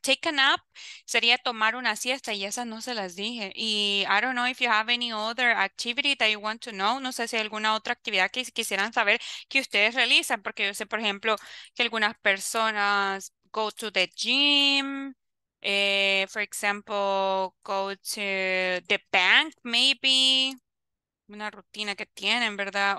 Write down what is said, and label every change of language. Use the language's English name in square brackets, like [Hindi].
[English] Take a nap [Spanish] sería tomar una siesta y esas no se las dije. [English] Y I don't know if you have any other activity that you want to know. [Spanish] No sé si hay alguna otra actividad que quisieran saber que ustedes realizan. Porque yo sé, por ejemplo, que algunas personas [English] go to the gym. For example, go to the bank, maybe, [Spanish] una rutina que tienen, ¿verdad?